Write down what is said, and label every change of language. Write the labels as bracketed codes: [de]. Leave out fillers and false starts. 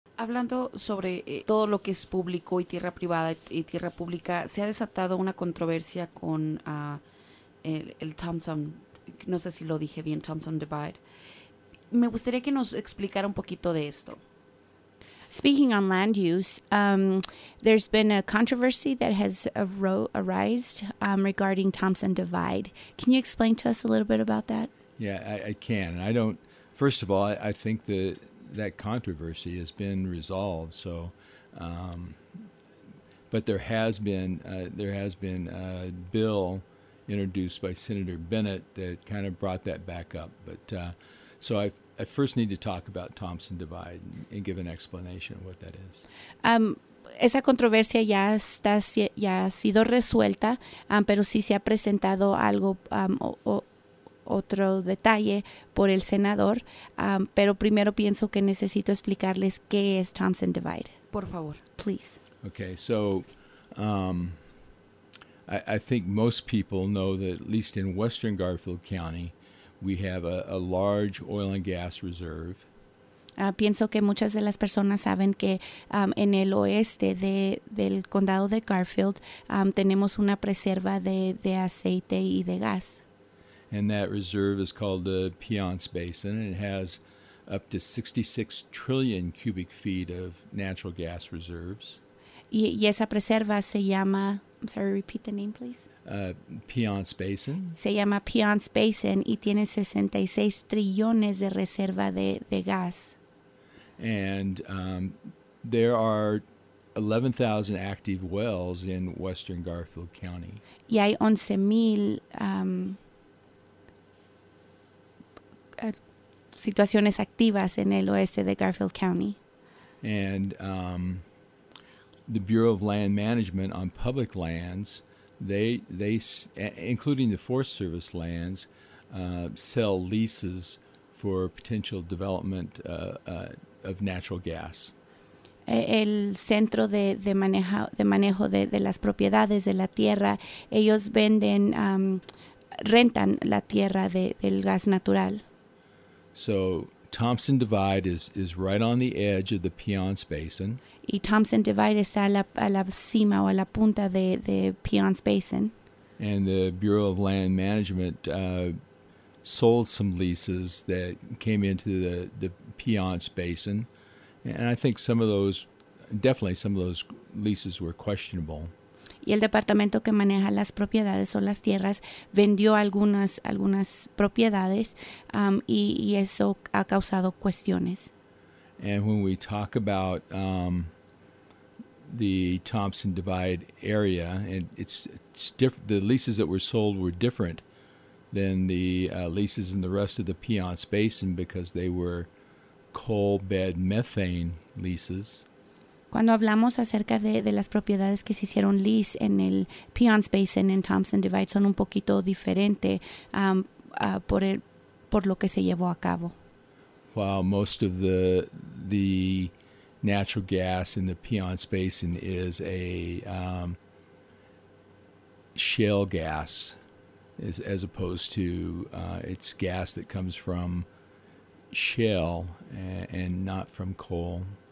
[es] Hablando sobre todo lo que es público y tierra privada y tierra pública, se ha desatado una controversia con el Thompson, no sé si lo dije bien, Thompson Divide. Me gustaría que nos explicara un poquito de esto. [en] Speaking on land use, there's been a controversy that has arised regarding Thompson Divide. Can you explain to us a little bit about that? Yeah, I can. I don't. First of all, I think that controversy has been resolved. So, but there has been a bill introduced by Senator Bennett that kind of brought that back up. But so I first need to talk about Thompson Divide and give an explanation of what that is. [es] Esa controversia ya ha sido resuelta, pero sí se ha presentado algo otro detalle por el senador, pero primero pienso que necesito explicarles qué es Thompson Divide. Por favor. [en] Please. Okay, so I think most people know that, at least in western Garfield County, we have a large oil and gas reserve. [es] Pienso que muchas de las personas saben que en el oeste del condado de Garfield tenemos una reserva de aceite y de gas. [en] And that reserve is called the Piance Basin, and it has up to 66 trillion cubic feet of natural gas reserves. [es] Y esa reserva se llama, [en] I'm sorry, repeat the name, please. Piance Basin. [es] Se llama Piance Basin, y tiene 66 trillones de reserva de gas. [en] And there are 11,000 active wells in western Garfield County. [es] Y hay 11,000... situaciones activas en el oeste de Garfield County. [en] And the Bureau of Land Management on public lands, they including the Forest Service lands, sell leases for potential development of natural gas. [es] El centro de manejo de las propiedades de la tierra, ellos venden rentan la tierra del gas natural. [en] So Thompson Divide is right on the edge of the Piance Basin. [es] Y Thompson Divide está a la cima o a la punta de Piance Basin. [en] And the Bureau of Land Management sold some leases that came into the Piance Basin. And I think definitely some of those leases were questionable. [es] Y el departamento que maneja las propiedades o las tierras vendió algunas propiedades y eso ha causado cuestiones. [en] And when we talk about the Thompson Divide area, and the leases that were sold were different than the leases in the rest of the Piance Basin because they were coal bed methane leases. [es] Cuando hablamos acerca de las propiedades que se hicieron lease en el Piance Basin en Thompson Divide son un poquito diferente por lo que se llevó a cabo. [en] While most of the natural gas in the Piance Basin is a shale gas as opposed to it's gas that comes from shale and not from coal.